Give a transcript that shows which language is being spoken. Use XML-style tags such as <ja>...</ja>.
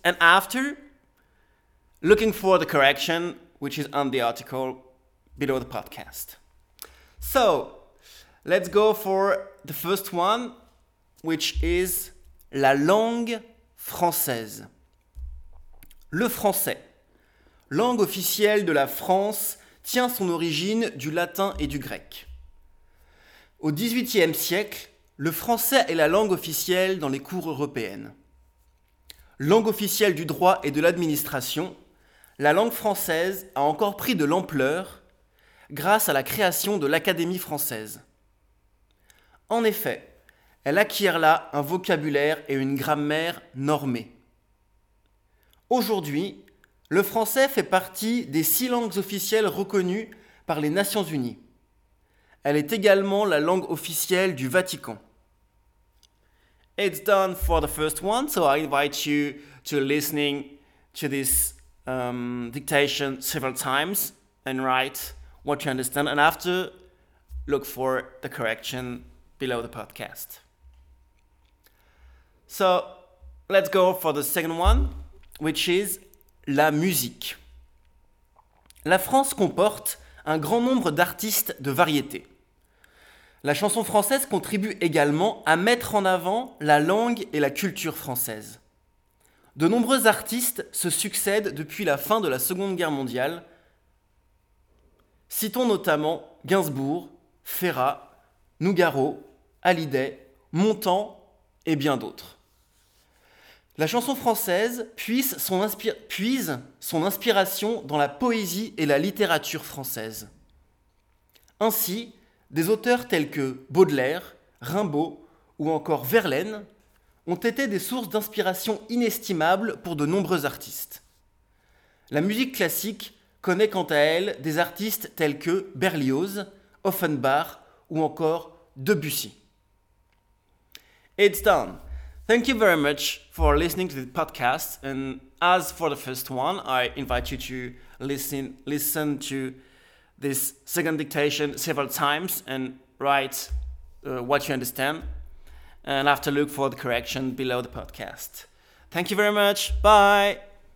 <en>And after, looking for the correction, which is on the article below the podcast. So, let's go for the first one, which is</en> <fr>la langue française. Le français, langue officielle de la France, tient son origine du latin et du grec. Au XVIIIe siècle, le français est la langue officielle dans les cours européennes. Langue officielle du droit et de l'administration, la langue française a encore pris de l'ampleur grâce à la création de l'Académie française. En effet, elle acquiert là un vocabulaire et une grammaire normées. Aujourd'hui, le français fait partie des 6 langues officielles reconnues par les Nations Unies. Elle est également la langue officielle du Vatican.</fr> <en>It's done for the first one, so I invite you to listening to this dictation several times and write what you understand, and after, look for the correction below the podcast. So, let's go for the second one, which is</en> <fr>la musique. La France comporte un grand nombre d'artistes de variété. La chanson française contribue également à mettre en avant la langue et la culture française. De nombreux artistes se succèdent depuis la fin de la Seconde Guerre mondiale. Citons notamment Gainsbourg, Ferrat, Nougaro, Hallyday, Montand et bien d'autres. La chanson française puise son inspiration dans la poésie et la littérature française. Ainsi, des auteurs tels que Baudelaire, Rimbaud ou encore Verlaine ont été des sources d'inspiration inestimables pour de nombreux artistes. La musique classique connaît quant à elle des artistes tels que Berlioz, Offenbach ou encore Debussy.</fr> <en>It's done. Thank you very much for listening to the podcast. And as for the first one, I invite you to listen to this second dictation several times and write what you understand. And after, look for the correction below the podcast. Thank you very much. Bye.</en>